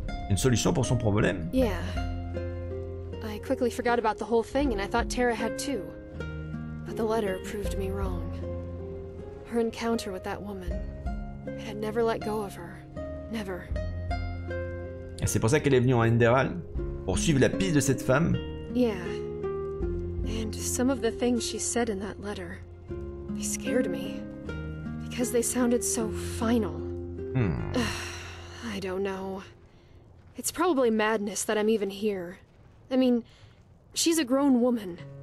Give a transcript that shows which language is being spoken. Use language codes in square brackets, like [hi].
[fr] Une solution pour son problème? [en] Yeah. I quickly forgot about the whole thing, and I thought Terra had too. But the letter proved me wrong. Her encounter with that woman, it had never let go of her. Never. [fr] Et c'est pour ça qu'elle est venue en Enderal, pour suivre la piste de cette femme. [en] Yeah. And some of the things she said in that letter, they scared me. Because they sounded so final. I don't know. It's probably madness that I'm even here. I mean, she's a grown woman.